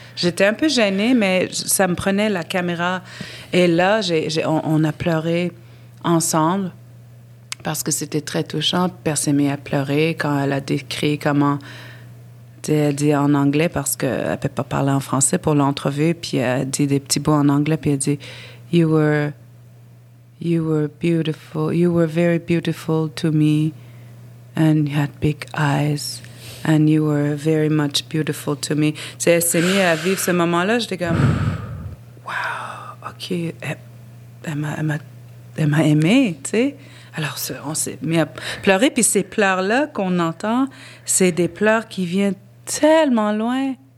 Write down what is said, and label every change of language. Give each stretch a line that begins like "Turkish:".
French: J'étais un peu gênée, mais ça me prenait la caméra. Et là, on a pleuré ensemble. Parce que c'était très touchant. Père s'est mis à pleurer quand elle a décrit comment... Elle dit en anglais parce qu'elle ne peut pas parler en français pour l'entrevue. Puis elle a dit des petits mots en anglais. Puis elle dit,
English: You were beautiful. You were very beautiful to me. And you had big eyes. And you were very much beautiful to me.
French: T'sais, elle s'est mise à vivre ce moment-là. J'étais comme, wow, OK. Elle m'a aimée, tu sais. Alors, on s'est mis à pleurer, puis ces pleurs-là qu'on entend, c'est des pleurs qui viennent tellement loin.